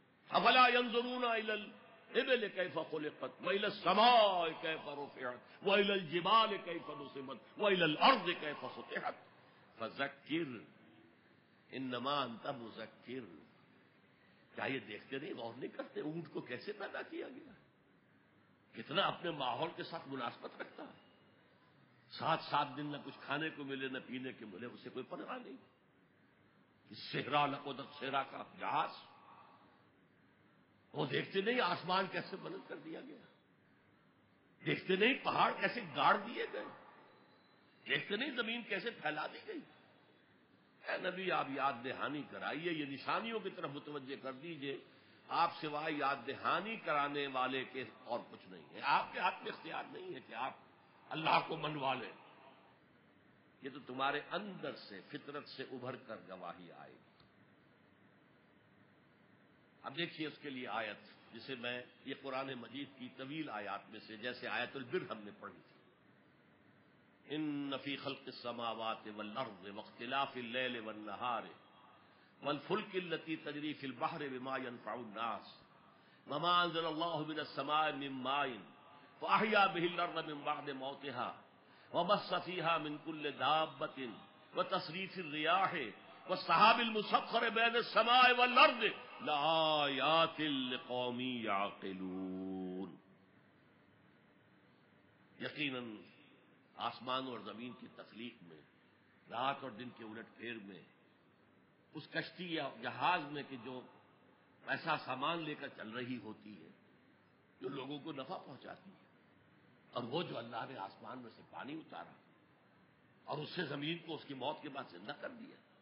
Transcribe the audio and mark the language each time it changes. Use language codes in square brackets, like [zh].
[ar] افلا ينظرون الى الابل كيف خلقت والى السماء كيف رفعت والى الجبال كيف نصبت والى الارض كيف سطحت فذكر انما انت مذكر. [ur] کیا یہ دیکھتے نہیں, غور نہیں کرتے اونٹ کو کیسے پیدا کیا گیا, کتنا اپنے ماحول کے ساتھ مناسبت رکھتا ہے. سات سات دن نہ کچھ کھانے کو ملے نہ پینے کو ملے, اسے کوئی پرواہ نہیں. صحرا لقد صحرا کا جہاز, وہ دیکھتے نہیں آسمان کیسے بلند کر دیا گیا, دیکھتے نہیں پہاڑ کیسے گاڑ دیے گئے, دیکھتے نہیں زمین کیسے پھیلا دی گئی. اے نبی, آپ یاد دہانی کرائیے, یہ نشانیوں کی طرف متوجہ کر دیجئے. آپ سوائے یاد دہانی کرانے والے کے اور کچھ نہیں ہے. آپ کے ہاتھ میں اختیار نہیں ہے کہ آپ اللہ کو منوا لیں. یہ تو تمہارے اندر سے فطرت سے ابھر کر گواہی آئے گی. اب دیکھیے اس کے لیے آیت, جسے میں یہ قرآن مجید کی طویل آیات میں سے, جیسے آیت البر ہم نے پڑھی تھی, [ar] ان فی خلق السماوات والارض واختلاف الليل والنهار والفلك التي تجري في البحر بما ينفع الناس وما انزل الله من السماء من ماء فاحيا به الارض من بعد موتها وبث فيها من كل دابة وتصريف الرياح والسحاب المسخر بين السماء والارض لآيات لقوم يعقلون. [ur] يقيناً آسمان اور زمین کی تخلیق میں, رات اور دن کے الٹ پھیر میں, اس کشتی یا جہاز میں کہ جو پیسہ سامان لے کر چل رہی ہوتی ہے, جو لوگوں کو نفع پہنچاتی ہے, اور وہ جو اللہ نے آسمان میں سے پانی اتارا اور اس سے زمین کو اس کی موت کے بعد زندہ کر دیا,